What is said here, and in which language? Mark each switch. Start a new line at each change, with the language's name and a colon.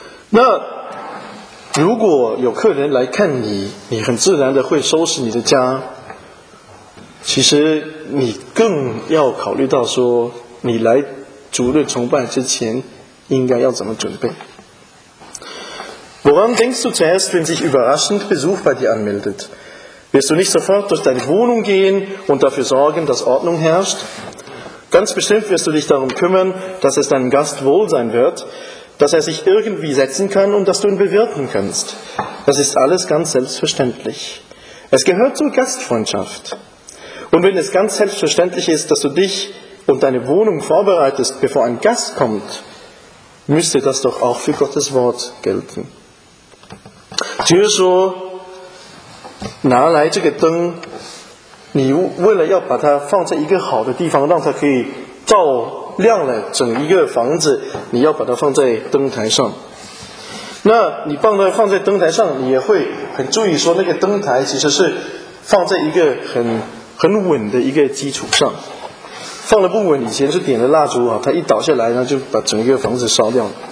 Chinese: 那如果有客人来看你，你很自然的会收拾你的家。其实你更要考虑到说，你来主日崇拜之前应该要怎么准备。
German: Woran denkst du zuerst, wenn sich überraschend Besuch bei dir anmeldet? Wirst du nicht sofort durch deine Wohnung gehen und dafür sorgen, dass Ordnung herrscht? Ganz bestimmt wirst du dich darum kümmern, dass es deinem Gast wohl sein wird, dass er sich irgendwie setzen kann und dass du ihn bewirten kannst. Das ist alles ganz selbstverständlich. Es gehört zur Gastfreundschaft. Und wenn es ganz selbstverständlich ist, dass du dich und deine Wohnung vorbereitest, bevor ein Gast kommt, müsste das doch auch für Gottes Wort gelten.
Chinese: 就是说，拿来这个灯，你为了要把它放在一个好的地方，让它可以照亮了整一个房子，你要把它放在灯台上。那你放在灯台上，你也会很注意说，那个灯台其实是放在一个很稳的一个基础上，放得不稳，以前是点了蜡烛啊，它一倒下来呢，就把整个房子烧掉了。